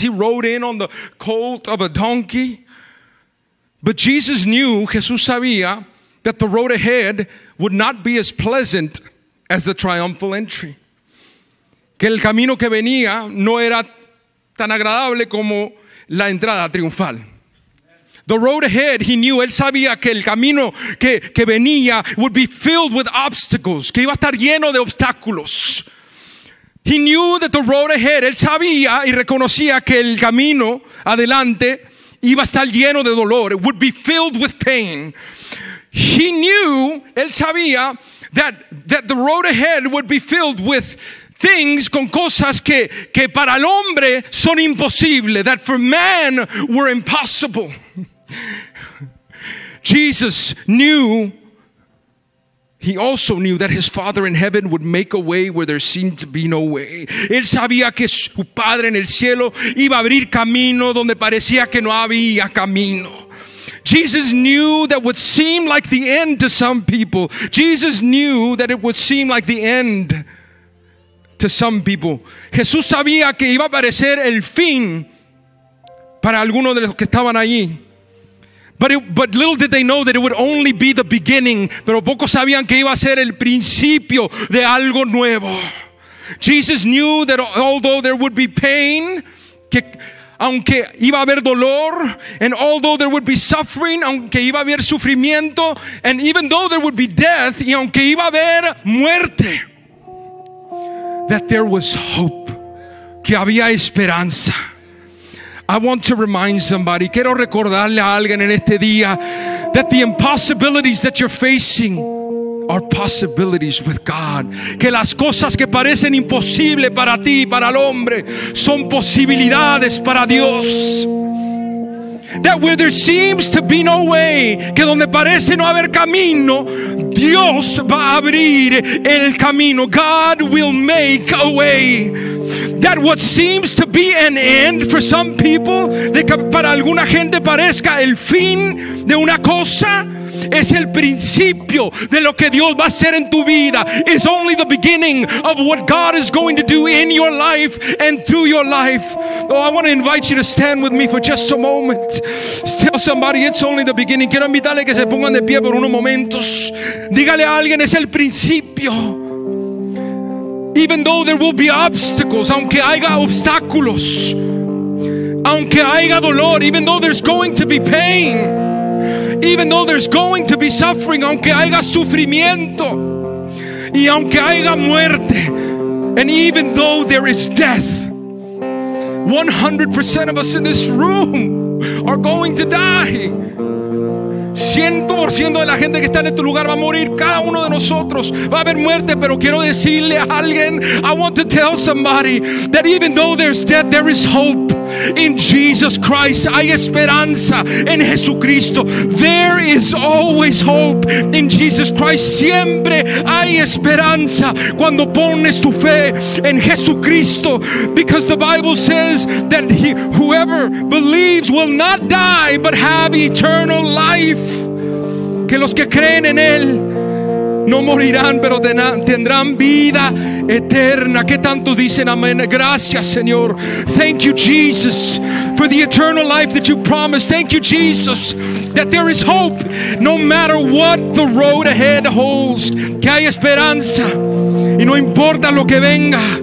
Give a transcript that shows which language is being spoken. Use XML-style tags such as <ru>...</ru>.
<en>He rode in on the colt of a donkey. But Jesus knew,</en> <es>Jesús sabía,</es> <en>that the road ahead would not be as pleasant as the triumphal entry.</en> <es>Que el camino que venía no era tan agradable como la entrada triunfal.</es> <en>The road ahead, he knew,</en> <es>él sabía que el camino que venía</es> <en>would be filled with obstacles,</en> <es>que iba a estar lleno de obstáculos.</es> <en>He knew that the road ahead,</en> <es>él sabía y reconocía que el camino adelante iba a estar lleno de dolor.</es> <en>It would be filled with pain. He knew,</en> <es>él sabía,</es> <en>that the road ahead would be filled with things,</en> <es>con cosas que para el hombre son imposible,</es> <en>that for man were impossible. Jesus knew, he also knew that his Father in heaven would make a way where there seemed to be no way.</en> <es>Él sabía que su Padre en el cielo iba a abrir camino donde parecía que no había camino.</es> <en>Jesus knew that would seem like the end to some people. Jesus knew that it would seem like the end to some people.</en> <es>Jesús sabía que iba a parecer el fin para algunos de los que estaban allí.</es> <en>But little did they know that it would only be the beginning.</en> <es>Pero pocos sabían que iba a ser el principio de algo nuevo.</es> <en>Jesus knew that although there would be pain,</en> <es>que aunque iba a haber dolor,</es> <en>and although there would be suffering,</en> <es>aunque iba a haber sufrimiento,</es> <en>and even though there would be death,</en> <es>y aunque iba a haber muerte,</es> <en>that there was hope,</en> <es>que había esperanza.</es> <en>I want to remind somebody,</en> <es>quiero recordarle a alguien en este día,</es> <en>that the impossibilities that you're facing are possibilities with God.</en> <es>Que las cosas que parecen imposible para ti y para el hombre son posibilidades para Dios.</es> <en>That where there seems to be no way,</en> <es>que donde parece no haber camino, Dios va a abrir el camino.</es> <en>God will make a way. That what seems to be an end for some people,</en> <es>de que para alguna gente parezca el fin de una cosa, es el principio de lo que Dios va a hacer en tu vida.</es> <en>It's only the beginning of what God is going to do in your life and through your life. Oh, I want to invite you to stand with me for just a moment. Tell somebody it's only the beginning.</en> <es>Quiero invitarle que se pongan de pie por unos momentos. Dígale a alguien, es el principio.</es> <en>Even though there will be obstacles,</en> <es>aunque haya obstáculos, aunque haya dolor,</es> <en>even though there's going to be pain, even though there's going to be suffering,</en> <es>aunque haya sufrimiento, y aunque haya muerte,</es> <en>and even though there is death, 100% of us in this room are going to die.</en> <es>100% de la gente que está en este lugar va a morir. Cada uno de nosotros va a haber muerte. Pero quiero decirle a alguien,</es> <en>I want to tell somebody that even though there's death, there is hope in Jesus Christ.</en> <es>Hay esperanza en Jesucristo.</es> <en>There is always hope in Jesus Christ.</en> <es>Siempre hay esperanza cuando pones tu fe en Jesucristo.</es> <en>Because the Bible says that whoever believes will not die but have eternal life.</en> <es>Que los que creen en Él no morirán, pero tendrán vida eterna. ¿Qué tanto dicen amén? Gracias, Señor.</es> <en>Thank you, Jesus, for the eternal life that you promised. Thank you, Jesus, that there is hope no matter what the road ahead holds.</en> <es>Que hay esperanza y no importa lo que venga.</es>